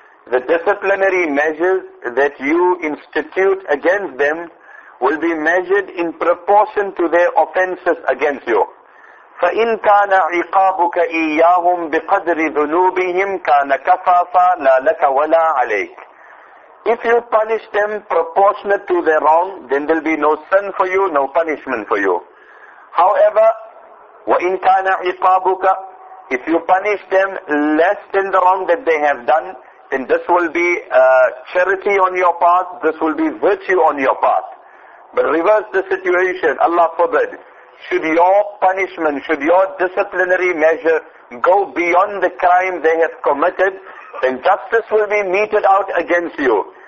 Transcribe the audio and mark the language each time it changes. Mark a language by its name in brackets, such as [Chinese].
[English] The disciplinary measures that you institute against them will be measured in proportion to their offenses against you. [Arabic] فَإِن كَانَ عِقَابُكَ إِيَّاهُمْ بِقَدْرِ ذُنُوبِهِمْ كَانَ كَفَافًا لَا لَكَ وَلَا عَلَيْكَ. [English] If you punish them proportionate to their wrong, then there will be no sin for you, no punishment for you. However, [Arabic] وَإِن كَانَ عِقَابُكَ. [English] If you punish them less than the wrong that they have done, then this will be charity on your part, this will be virtue on your part. But reverse the situation, Allah forbid, should your punishment, should your disciplinary measure go beyond the crime they have committed, then justice will be meted out against you.